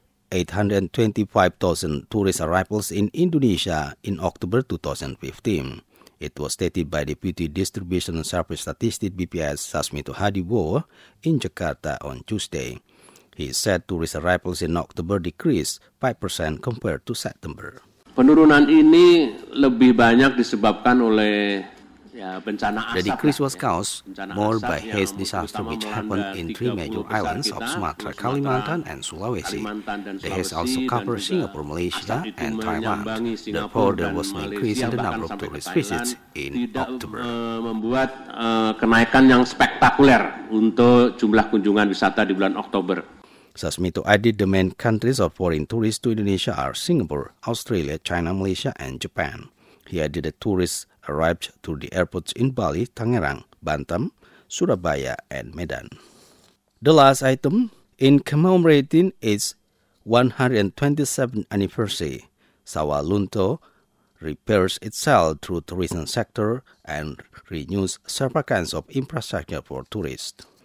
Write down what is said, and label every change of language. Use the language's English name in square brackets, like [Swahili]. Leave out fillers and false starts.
[English] 825,000 tourist arrivals in Indonesia in October 2015. It was stated by Deputy Distribution Service Statistic BPS Sasmito Hadibowo in Jakarta on Tuesday. He said tourist arrivals in October decreased 5% compared to September. [Indonesian] Penurunan ini lebih banyak disebabkan oleh bencana asap. [English] The decrease was caused more by haze disaster which happened in three major islands of Sumatra, Kalimantan, and Sulawesi. The haze also covered Singapore, Malaysia, and Taiwan. Therefore, there was an increase in the number of tourist visits in October. [Indonesian] Membuat kenaikan yang spektakuler untuk jumlah kunjungan wisata di bulan Oktober. [English] Sasmito added the main countries of foreign tourists to Indonesia are Singapore, Australia, China, Malaysia, and Japan. He added that tourists arrived to the airports in Bali, Tangerang, Batam, Surabaya, and Medan. The last item, in commemorating its 127th anniversary, Sawalunto repairs itself through tourism sector and renews several kinds of infrastructure for tourists.